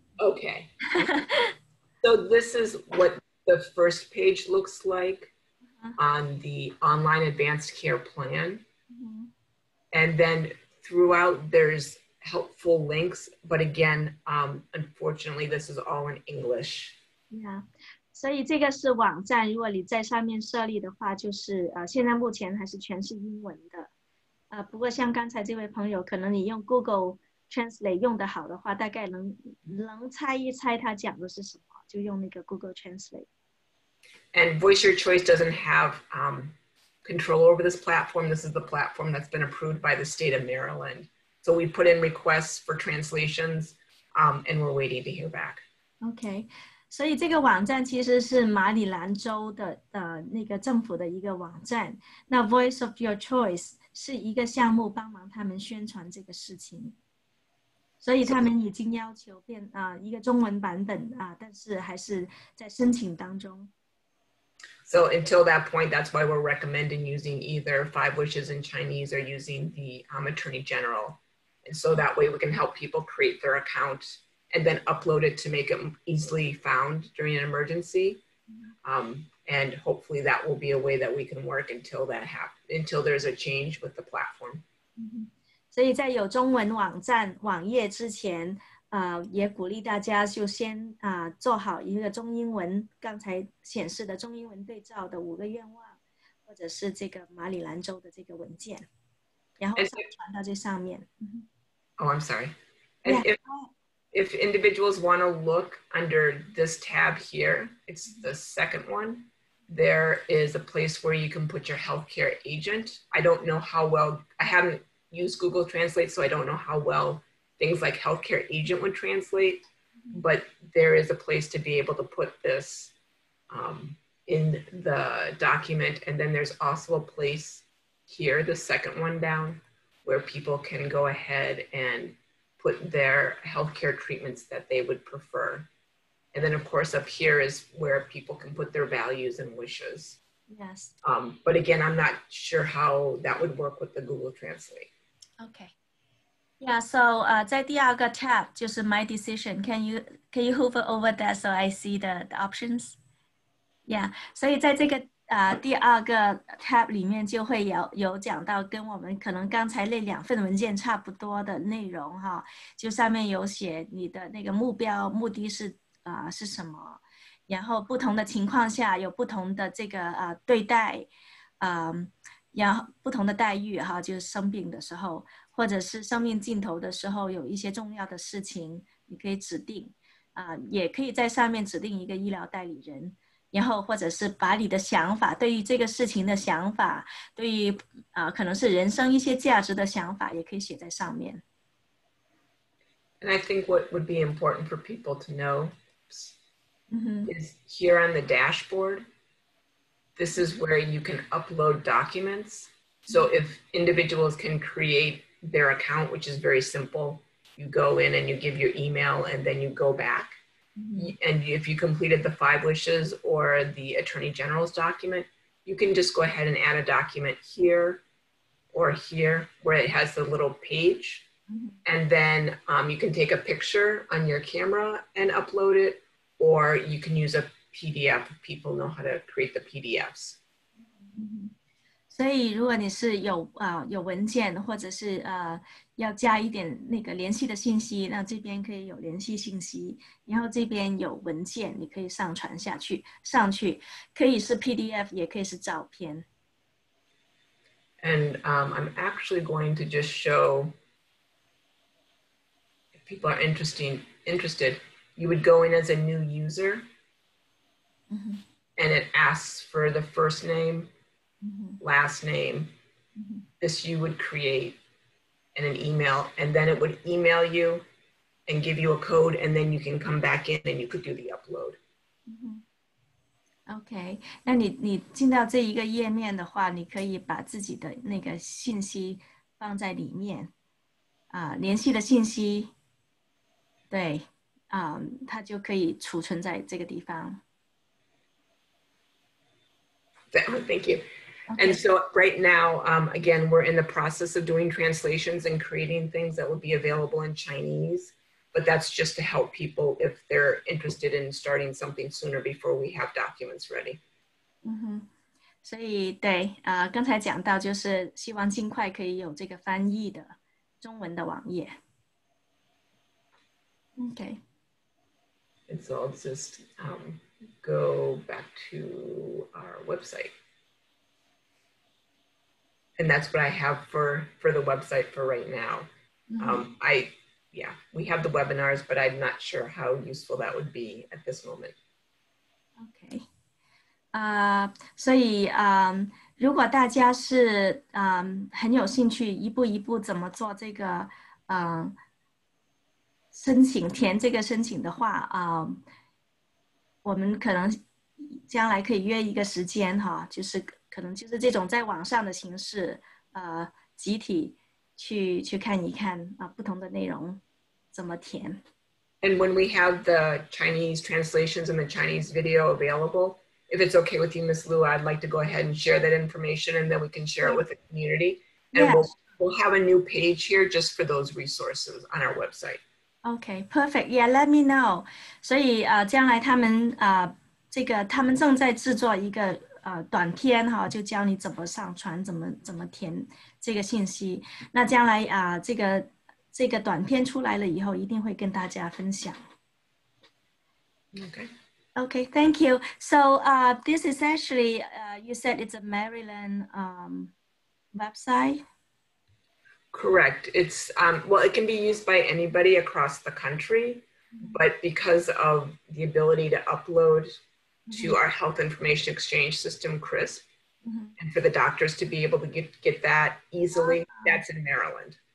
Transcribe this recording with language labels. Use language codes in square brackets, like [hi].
[en] Okay, so this is what the first page looks like on the online advanced care plan. Mm-hmm. And then throughout there's helpful links, but again, unfortunately, this is all in English. [zh] Yeah, 所以这个是网站，如果你在上面设立的话，就是现在目前还是全是英文的。不过像刚才这位朋友，可能你用 Google Translate 用得好的话，大概能猜一猜他讲的是什么，就用那个 Google Translate. [en] And Voice Your Choice doesn't have control over this platform. This is the platform that's been approved by the state of Maryland. So we put in requests for translations, and we're waiting to hear back. [zh] Okay, 所以这个网站其实是马里兰州的那个政府的一个网站。那 Voice of Your Choice 是一个项目，帮忙他们宣传这个事情。所以他们已经要求变一个中文版本但是还是在申请当中。 [en] So until that point, that's why we're recommending using either Five Wishes in Chinese or using the Attorney General. And so that way we can help people create their account and then upload it to make it easily found during an emergency. And hopefully that will be a way that we can work until there's a change with the platform. Mm-hmm. [zh] 所以在有中文网站网页之前也鼓励大家就先做好一个中英文刚才显示的中英文对照的五个愿望或者是这个马里兰州的这个文件然后上传到这上面。 [en] Oh, I'm sorry. And if individuals want to look under this tab here, it's the second one, there is a place where you can put your healthcare agent. I don't know how well, I haven't,use Google Translate, so I don't know how well things like healthcare agent would translate, but there is a place to be able to put this in the document. And then there's also a place here, the second one down, where people can go ahead and put their healthcare treatments that they would prefer. And then of course, up here is where people can put their values and wishes. Yes. But again, I'm not sure how that would work with the Google Translate. Okay. Yeah, so [zh] 在第二个 tab 就是 My Decision. [en] Can you hover over that so I see the options? [zh] Yeah, 所以在这个第二个 tab 里面就会有讲到跟我们可能刚才那两份文件差不多的内容哈，就上面有写你的那个目标目的是什么，然后不同的情况下有不同的这个对待然后不同的待遇哈，就是生病的时候，或者是生命尽头的时候，有一些重要的事情，你可以指定，也可以在上面指定一个医疗代理人，然后或者是把你的想法，对于这个事情的想法，对于可能是人生一些价值的想法，也可以写在上面。 [en] And I think what would be important for people to know is here on the dashboard. This is where you can upload documents. So if individuals can create their account, which is very simple, you go in and you give your email and then you go back. Mm-hmm. And if you completed the five wishes or the attorney general's document, you can just go ahead and add a document here or here where it has the little page. Mm-hmm. And then you can take a picture on your camera and upload it, or you can use a PDF if people know how to create the PDFs. [zh] 所以如果你是 有文件或者是要加一点那个联系的信息，那这边可以有联系信息，然后这边有文件，你可以上传下去，上去可以是 PDF 也可以是照片。 [en] And I'm actually going to just show, if people are interested, you would go in as a new user, and it asks for the first name, last name, this you would create, and an email, and then it would email you and give you a code, and then you can come back in and you could do the upload. [zh] OK, 那 你进到这一个页面的话，你可以把自己的那个信息放在里面，联系的信息，对，它就可以储存在这个地方。 [en] Thank you. And so right now, again, we're in the process of doing translations and creating things that will be available in Chinese. But that's just to help people if they're interested in starting something sooner before we have documents ready. [zh] 所以对，刚才讲到就是希望尽快可以有这个翻译的中文的网页。 [en] Okay. And so I'll just go back to our website. And that's what I have for the website for right now. Yeah, we have the webinars, but I'm not sure how useful that would be at this moment. Okay. [zh] 所以如果大家是很有兴趣一步一步怎么做这个申请填这个申请的话我们可能将来可以约一个时间哈，就是可能就是这种在网上的形式集体去看一看不同的内容。 [en] And when we have the Chinese translations and the Chinese video available, if it's okay with you, Ms. Lu, I'd like to go ahead and share that information and then we can share it with the community. And yes. we'll have a new page here just for those resources on our website. Okay, perfect. Yeah, let me know. [zh] 所以将来他们这个他们正在制作一个短片哈，就教你怎么上传，怎么填这个信息。那将来这个。这个短片出来了以后，一定会跟大家分享。 [en] Okay. Okay. Thank you. So, this is actually, you said it's a Maryland website. Correct. It's well, it can be used by anybody across the country, but because of the ability to upload to our Health Information Exchange System, CRISP, and for the doctors to be able to get that easily, that's in Maryland.